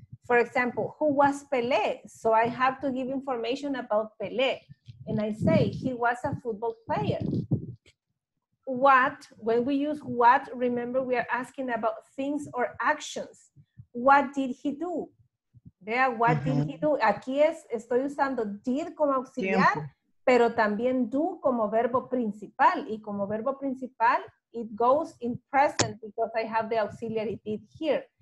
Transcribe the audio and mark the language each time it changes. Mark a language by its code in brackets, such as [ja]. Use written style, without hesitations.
[en] For example, who was Pelé? So I have to give information about Pelé. And I say, he was a football player. What, when we use what, remember we are asking about things or actions. What did he do? Vea, what did he do? [es] Aquí estoy usando did como auxiliar, pero también do como verbo principal. Y como verbo principal, [en] it goes in present because I have the auxiliary did here.